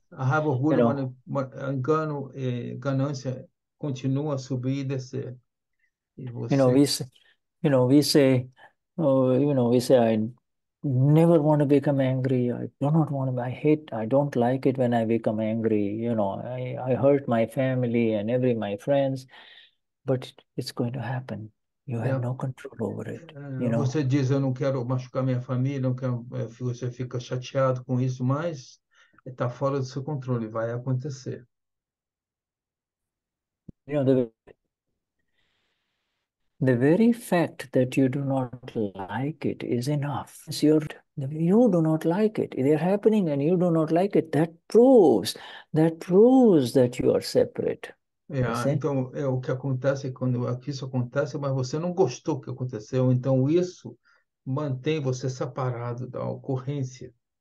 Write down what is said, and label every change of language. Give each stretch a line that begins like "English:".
English: I have
Portuguese: orgulho, engano e ganância continua a subir e descer. E você.
English: We say, I never want to become angry. I do not want to. I don't like it when I become angry. I hurt my family and my friends. But it's going to happen. You have no control over it. You know?
Portuguese: Você diz, eu não quero machucar minha família, não quero, você fica chateado com isso, mas está fora do seu controle, vai acontecer.
English: You know, the very fact that you do not like it is enough. It's you do not like it. They're happening and you do not like it. That proves that you are separate.
Portuguese: Então é o que acontece quando isso acontece, mas você não gostou que aconteceu, então isso mantém você separado da ocorrência.